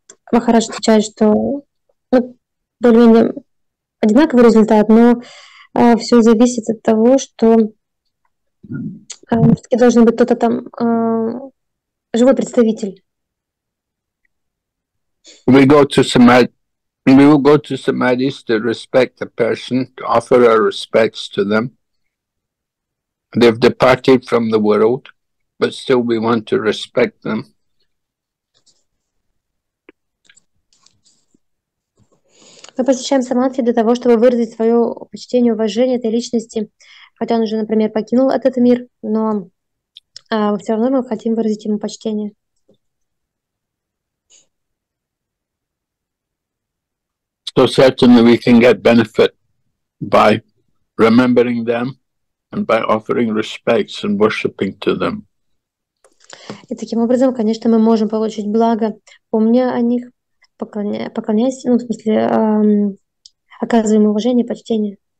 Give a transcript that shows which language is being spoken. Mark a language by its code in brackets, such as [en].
[ru] Махарадж отвечает, что более-менее одинаковый результат, но все зависит от того, что все-таки должен быть кто-то там, живой представитель. [en] We go to samadhi. We will go to samadhis to respect the person, to offer our respects to them. They've departed from the world, but still we want to respect them. [ru] Мы посещаем самадхи для того, чтобы выразить свое почтение, уважение этой личности, хотя он уже, например, покинул этот мир, но все равно мы хотим выразить ему почтение. [en] So certainly we can get benefit by remembering them and by offering respects and worshiping to them. [ru] И таким образом, конечно, мы можем получить благо, помня о них, поклоняясь, ну, в смысле, оказываем уважение, почтение.